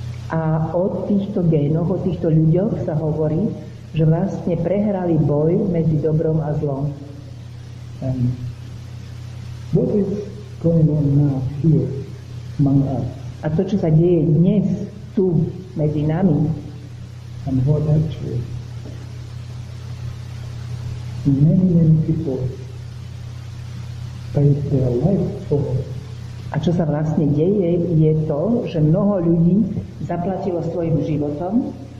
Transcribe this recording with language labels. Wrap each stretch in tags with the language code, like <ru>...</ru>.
<sk>A o týchto génoch, o týchto ľuďoch sa hovorí, že vlastne prehrali boj medzi dobrom a zlom.</sk> <en>What is going on now here among us?</en> <sk>A to, čo sa deje dnes tu medzi nami,</sk> <en>and what actually many, many people paid their life for.</en> <sk>A čo sa vlastne deje, je to, že mnoho ľudí zaplatilo svojim životom.</sk>